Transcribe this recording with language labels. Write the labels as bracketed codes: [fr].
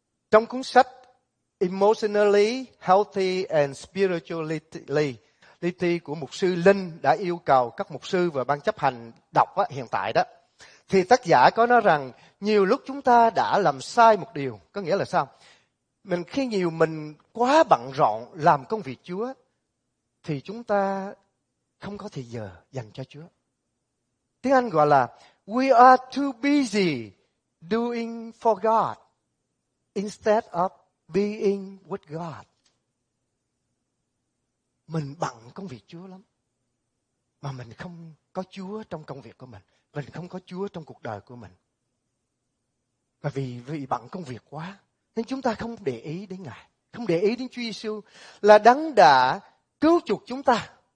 [vi] Trong cuốn sách Emotionally Healthy and Spiritually Liti của mục sư Linh đã yêu cầu các mục sư và ban chấp hành đọc á, hiện tại đó, thì tác giả có nói rằng nhiều lúc chúng ta đã làm sai một điều. Có nghĩa là sao? Mình quá bận rộn làm công việc Chúa thì chúng ta không có thời giờ dành cho Chúa. Tiếng Anh gọi là [en] we are too busy doing for God instead of being with God. [vi] Mình bận công việc Chúa lắm mà mình không có Chúa trong công việc của mình. Mình không có Chúa trong cuộc đời của mình. Mà vì bận công việc quá nên chúng ta không để ý đến Ngài, không để ý đến Chúa Giêsu là đấng đã cứu chuộc chúng ta.